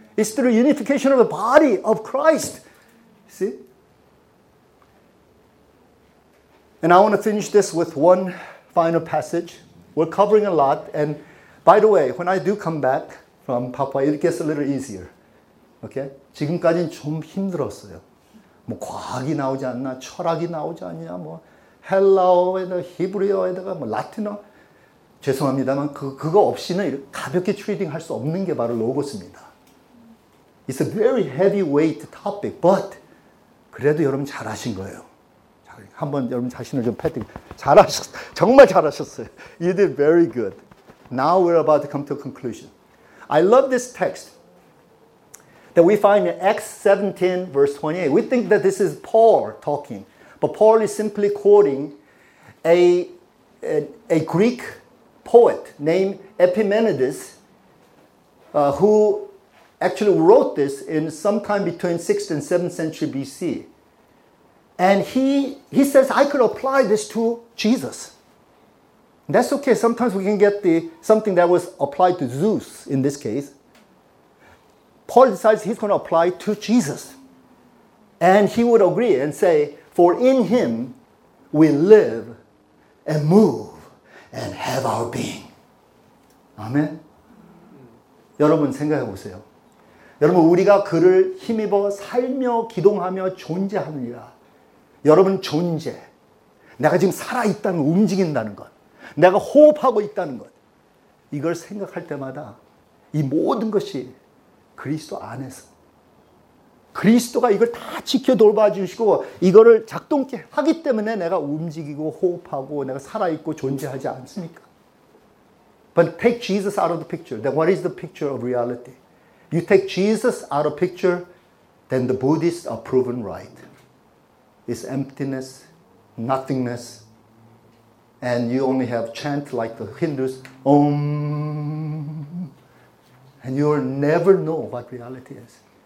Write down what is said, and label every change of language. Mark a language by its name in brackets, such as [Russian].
[English] It's through unification of the body of Christ. See? And I want to finish this with one final passage. We're covering a lot. And by the way, when I do come back from Papua, it gets a little easier. Okay? [Korean] 지금까지는 좀 힘들었어요. 뭐 과학이 나오지 않나, 철학이 나오지 않냐, 뭐 헬라어에다가 히브리어에다가 뭐 라틴어. 죄송합니다만 그거 없이는 가볍게 트레이딩 할 수 없는 게 바로 로고스입니다. [English] It's a very heavyweight topic, but [Korean] 그래도 여러분 잘하신 거예요. 한번 여러분 자신을 좀 패딩 잘하셨, 정말 잘하셨어요. [English] You did very good. Now we're about to come to a conclusion. I love this text that we find in Acts 17, verse 28. We think that this is Paul talking, but Paul is simply quoting a Greek poet named Epimenides, who actually wrote this in sometime between 6th and 7th century BC. And he says, I could apply this to Jesus. That's okay. Sometimes we can get something that was applied to Zeus in this case. Paul decides he's going to apply to Jesus. And he would agree and say, for in Him we live and move and have our being. [Korean] Amen. 여러분 생각해 보세요. 여러분 우리가 그를 힘입어 살며 기동하며 존재하느니라. 여러분 존재, 내가 지금 살아있다는 것, 움직인다는 것, 내가 호흡하고 있다는 것, 이걸 생각할 때마다 이 모든 것이 그리스도 안에서 그리스도가 이걸 다 지켜 돌봐주시고 이거를 작동케 하기 때문에 내가 움직이고 호흡하고 내가 살아있고 존재하지 않습니까? [English] But take Jesus out of the picture. Then what is the picture of reality? You take Jesus out of picture, then the Buddhists are proven right. It's emptiness, nothingness, and you only have chant like the Hindus, Om, and you'll never know what reality is.